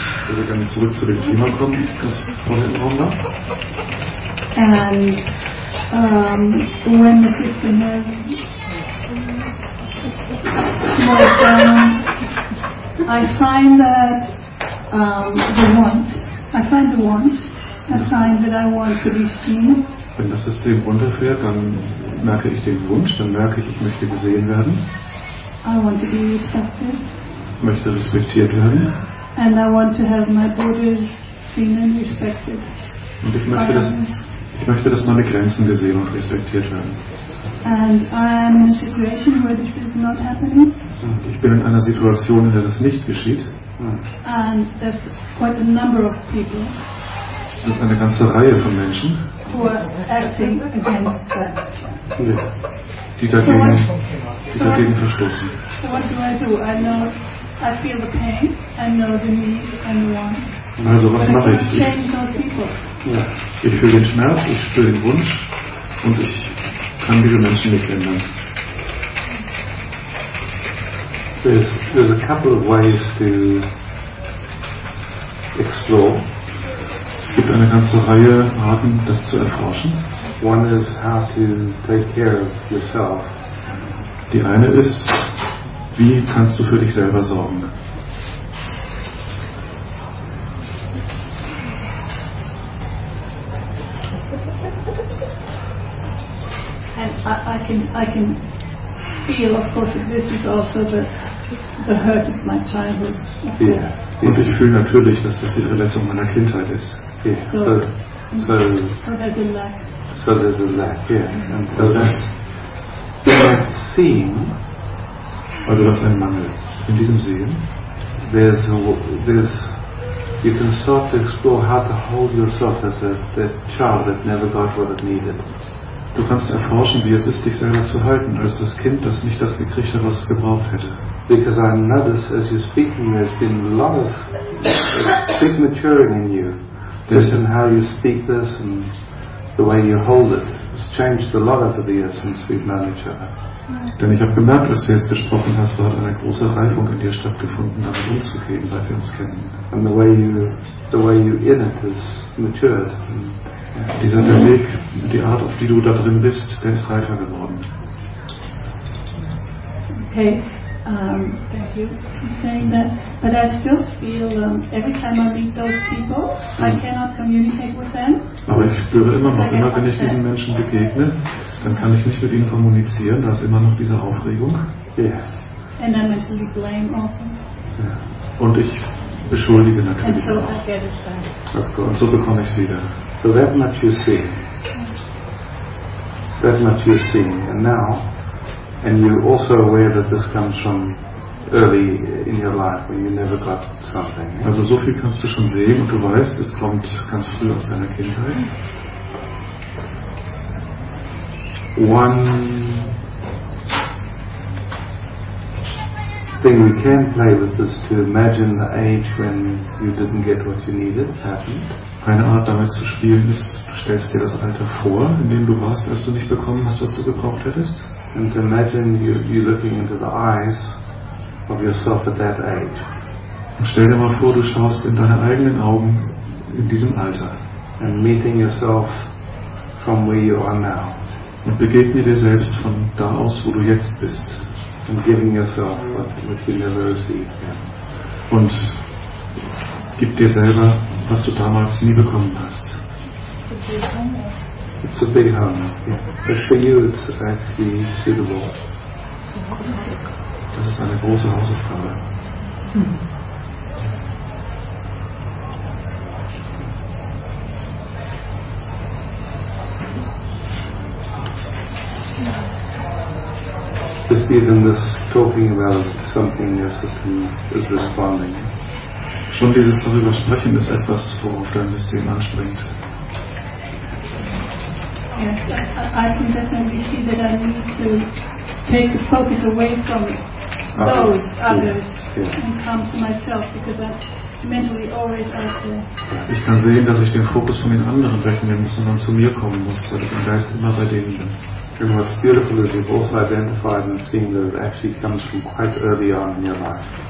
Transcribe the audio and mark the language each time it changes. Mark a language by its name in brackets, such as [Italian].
[German] Würde gerne zurück zu dem Thema kommen, das vorhin war. [English] And when the system has slowed down, I find that I find that I want to be seen. [German] Wenn das System runterfährt, dann merke ich den Wunsch, dann merke ich möchte gesehen werden. [English] I want to be respected. [German] Ich möchte respektiert werden. [English] And I want to have my borders seen and respected. [German] Und ich möchte, dass meine Grenzen gesehen und respektiert werden. [English] And I am in a situation where this is not happening. [German] Ich bin in einer Situation, in der das nicht geschieht. [English] And there's quite a number of people. [German] Das ist eine ganze Reihe von Menschen. [English] Who are acting against that. [German] Die dagegen verstoßen. [English] So what do I do? I know. I feel the pain, I know the need, and the want. [German] Also was mache ich? [English] Change those people. [German] Ja. Ich fühle den Schmerz, ich spüre den Wunsch und ich kann diese Menschen nicht ändern. [English] There's a couple of ways to explore. [German] Es gibt eine ganze Reihe Arten, das zu erforschen. [English] One is how to take care of yourself. [German] Die eine ist, wie kannst du für dich selber sorgen? [English] And I can feel, of course, that this is also the hurt of my childhood. Yeah. [German] Und ich fühle natürlich, dass das die Verletzung meiner Kindheit ist. [English] Yeah. So there's a lack. So there's a lack, yeah. And so that's that seeing, [German] also das ein Mangel in diesem Sehen, [English] there's you can start to explore how to hold yourself as a child that never got what it needed. [German] Du kannst erforschen, wie es ist, dich selber zu halten, als das Kind, das nicht das gekriegt hat, was es gebraucht hätte. [English] Because I notice, as you're speaking, there's been a lot of big maturing in you. Just in how you speak this and the way you hold it. It's changed a lot over the years since we've known each other. [German] Denn ich habe gemerkt, was du jetzt gesprochen hast, da hat eine große Reifung in dir stattgefunden, damit umzugehen, seit wir uns kennen. [English] And the way you in it is matured. [German] Dieser Weg, die Art, auf die du da drin bist, der ist reifer geworden. [English] Okay, thank you. He's saying that, but I still feel every time I meet those people, I cannot communicate with them. [German] Aber ich spüre immer, wenn ich diesen Menschen begegne, dann kann ich nicht mit ihnen kommunizieren. Da ist immer noch diese Aufregung. [English] Yeah. And I mentally blame often. Yeah. [German] Und ich beschuldige natürlich. [English] And so I get it back. [German] Und so bekomme ich es wieder. [English] So that much you see. That much you see. And now, and you're also aware that this comes from early in your life when you never got something. Yeah? [German] Also so viel kannst du schon sehen und du weißt, es kommt ganz früh aus deiner Kindheit. [English] One thing we can play with is to imagine the age when you didn't get what you needed happened. [German] Eine Art damit zu spielen ist, du stellst dir das Alter vor, in dem du warst, als du nicht bekommen hast, was du gebraucht hättest. [English] And imagine you looking into the eyes of yourself at that age. [German] Und stell dir mal vor, du schaust in deine eigenen Augen in diesem Alter. [English] And meeting yourself from where you are now. [German] Und begegne dir selbst von da aus, wo du jetzt bist. [English] And giving yourself what you never received. Yeah. [German] Und gib dir selber, was du damals nie bekommen hast. [English] It's a big hunger. Yeah. For you, it's actually suitable. [German] Das ist eine große Hausaufgabe. [English] Just even this talking about something your system is responding. [German] Schon dieses darüber sprechen ist etwas, worauf dein System anspringt. [English] Yes, I can definitely see that I need to take the focus away from those others and come to myself because I'm mentally always out there. [German] Ich kann sehen, dass ich den Fokus von den anderen wegnehmen muss und dann zu mir kommen muss, weil ich im Geist immer bei denen bin. [English] And what's beautiful is you've also identified and seen that it actually comes from quite early on in your life.